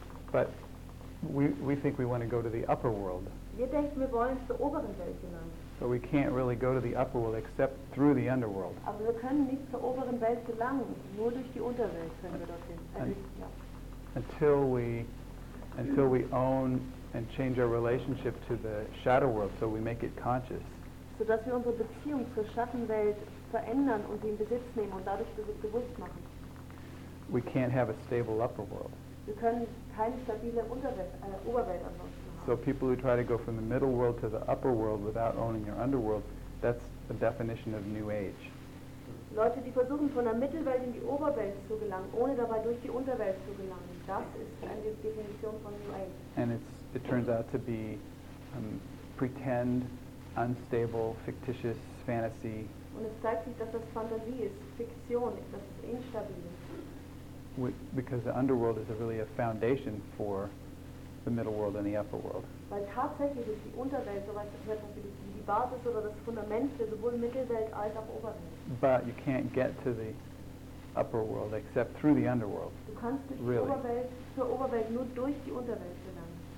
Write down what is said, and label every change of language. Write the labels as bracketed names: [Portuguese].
[English] But we think we want to go to the upper world. [German] Wir denken, wir wollen zur oberen Welt gelangen. [English] But we can't really go to the upper world except through the underworld. [German] Aber wir können nicht zur oberen Welt gelangen. Nur durch die Unterwelt können wir dorthin. [English] Until we own and change our relationship to the shadow world, so we make it conscious. [German] So dass wir unsere Beziehung zur Schattenwelt verändern und sie in Besitz nehmen und dadurch bewusst machen. [English] We can't have a stable upper world. [German] Wir können keine stabile Oberwelt haben. [English] So people who try to go from the middle world to the upper world without owning your underworld, that's the definition of New Age. [German] Leute, die versuchen von der Mittelwelt in die Oberwelt zu gelangen, ohne dabei durch die Unterwelt zu gelangen, das ist eine Definition von New Age. [English] And it turns out to be pretend, unstable, fictitious fantasy. [German] Und es zeigt sich, dass das Fantasie ist, Fiktion, das ist instabil. [English] Because the underworld is really a foundation for the middle world and the upper world. [German] Weil tatsächlich ist die Unterwelt so weit verfügbar wie die Basis oder das Fundament für sowohl Mittelwelt als auch Oberwelt. [English] But you can't get to the upper world except through the underworld. [German] Du kannst durch die Oberwelt, zur Oberwelt nur durch die Unterwelt gelangen.